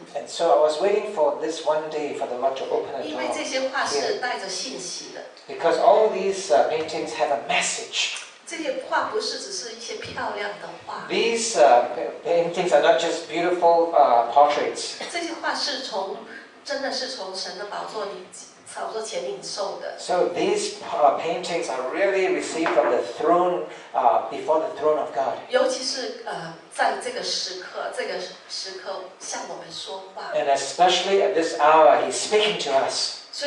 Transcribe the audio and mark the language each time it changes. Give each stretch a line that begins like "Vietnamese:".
English: And so I was waiting for this one day for the Lord to open a door.
Chinese: 因为这些画是带着信息的。
English: Because all these paintings have a message.
Chinese: 这些画不是只是一些漂亮的画。
English: These paintings are not just beautiful portraits.
Chinese: 这些画是从 真的是从神的宝座里，宝座前领受的。
English: So these paintings are really received from the throne, before the throne of God.
Chinese: 尤其是在这个时刻，这个时刻向我们说话。
English: And especially at this hour, He's speaking to us.